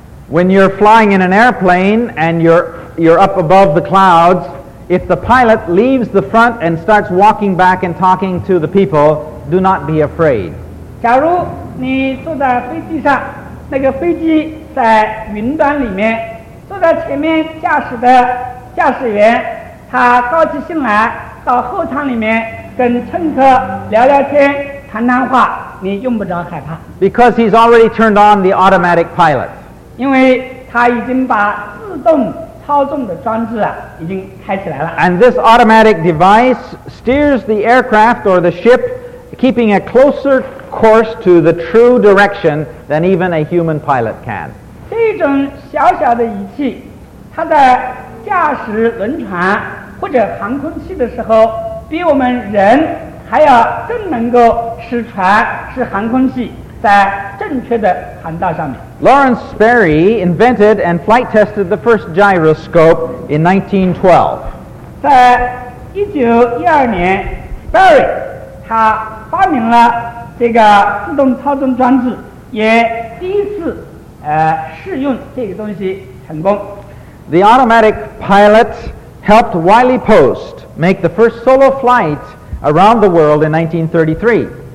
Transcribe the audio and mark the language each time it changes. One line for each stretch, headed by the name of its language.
English: When you're flying in an airplane and you're up above the clouds, if the pilot leaves the front and starts walking back and talking to the people, do not be afraid.
Chinese: 假如你坐在飞机上，那个飞机在云端里面，坐在前面驾驶员，他高起兴来到后舱里面跟乘客聊聊天、谈谈话，你用不着害怕。
English: Because he's already turned on the automatic pilot.
Chinese: 因为他已经把自动操纵的装置啊已经开起来了。
English: And this automatic device steers the aircraft or the ship, keeping a closer course to the true direction than even a human pilot can.
Chinese: 这种小小的仪器，它在驾驶轮船或者航空器的时候，比我们人还要更能够使船、使航空器在正确的航道上面。
English: Lawrence Sperry invented and flight tested the first gyroscope in 1912.
Chinese: 在1912年 ,Sperry 他发明了这个自动操纵装置，也第一次试用这个东西成功。
English: The automatic pilot helped Wiley Post make the first solo flight around the world in 1933.